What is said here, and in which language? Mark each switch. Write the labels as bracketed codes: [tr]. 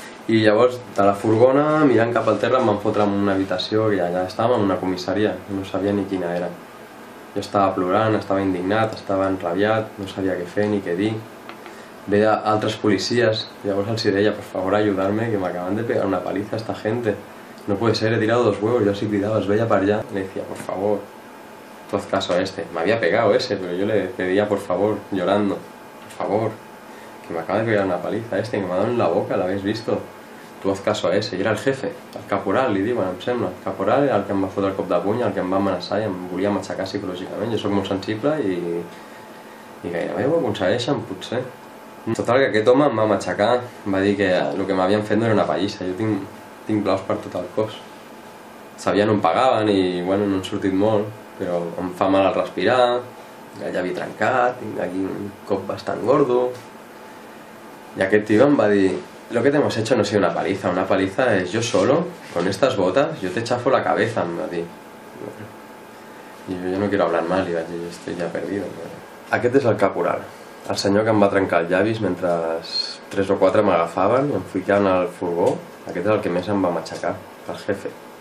[ca] I llavors, de la furgona, mirant cap al terra, em van fotre en una habitació i allà estàvem en una comissaria, no sabia ni quina era. Jo estava plorant, estava indignat, estava enrabiat, no sabia què fer ni què dir. Veia altres policies, llavors els deia, per favor, ajudar-me, [es] que m'acaben de pegar una paliza a esta gente. No puede ser, he tirado dos huevos, yo así cuidaba, os veía para allá. Le decía, por favor, haz caso a este. Me había pegado ese, pero yo le pedía, por favor, llorando, por favor, que me acaba de pegar una paliza este, que me ha dado en la boca, ¿lo habéis visto? Tú haz caso a ese. Y era el jefe, el caporal, [ca] li diuen, em sembla. El caporal era el que em va fotre el cop de puny, el que em va amenaçar i em volia matxacar psicològicament. Jo soc molt sensible i gairebé ho aconsegueixen, potser. Total, que aquest home em va matxacar, em va dir que el que m'havien fet no era una pallissa. Jo tinc blaus per tot el cos. Sabia on pagaven i, bueno, no han sortit molt, però em fa mal al respirar, ja hi havia trencat, tinc aquí un cop bastant gordo. I aquest tio em va dir, [es] lo que te hemos hecho no ha sido una paliza es yo solo, con estas botas, yo te chafo la cabeza, [ca] em va dir. [es] I jo no quiero hablar mal, [ca] li vaig dir, [es] estoy ya perdido. [ca] Aquest és el caporal, el senyor que em va trencar els llavis mentre tres o quatre m'agafaven i em ficaven al furgó. Aquest és el que més em va matxacar, el jefe.